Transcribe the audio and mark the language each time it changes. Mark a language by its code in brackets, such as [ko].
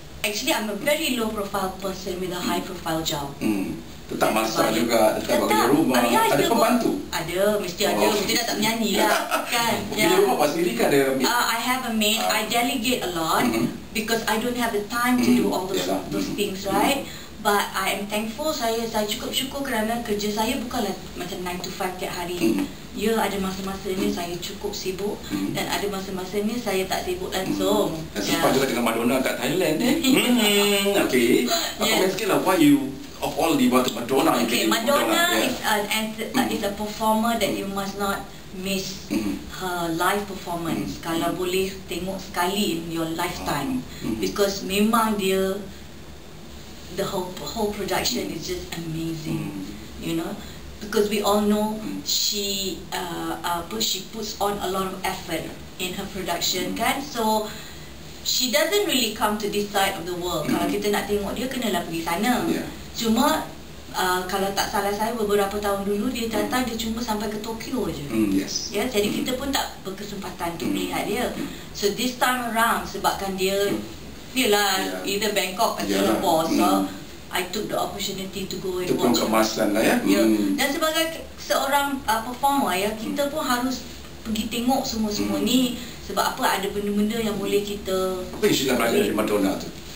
[en] Actually, I'm a very low profile person with a high profile job. [ms] Tetap masak juga, tetap buat kerja rumah. Ada pembantu? Ada, mesti ada. Mesti dah tak menyanyi lah, kan? Kerja rumah pas diri kan ada [en] maid? I have a maid. I delegate a lot. Because I don't have the time to do all those things, right? But I am thankful, [ms] saya cukup syukur kerana kerja saya bukanlah macam 9 to 5 tiap hari. Ya, ada masa-masanya saya cukup sibuk dan ada masa-masanya saya tak sibuk langsung. Sempat juga dengan Madonna kat Thailand. Okay, comment sikit lah, [en] why you, of all diva to Madonna? Okay, Madonna is a performer that you must not miss her live performance. [ms] Kalau boleh tengok sekali [en] in your lifetime. Because memang dia, the whole production is just amazing, you know, because we all know she puts on a lot of effort in her production, kan? So she doesn't really come to this side of the world. [ms] Kalau kita nak tengok dia, kenalah pergi sana. Cuma kalau tak salah saya, beberapa tahun dulu dia datang, dia cuma sampai ke Tokyo aje. [en] Yes. [ms] Jadi kita pun tak berkesempatan untuk melihat dia. [en] So this time around, [ms] sebabkan dia [en] either Bangkok or Singapore, so I took the opportunity to go and [ms] watch. Kemasan lah, ya. Dan sebagai seorang performer, ya, kita pun harus pergi tengok semua-semua ni. Sebab apa, ada benda-benda yang boleh kita. Apa yang Sheila belajar dari Madonna tu?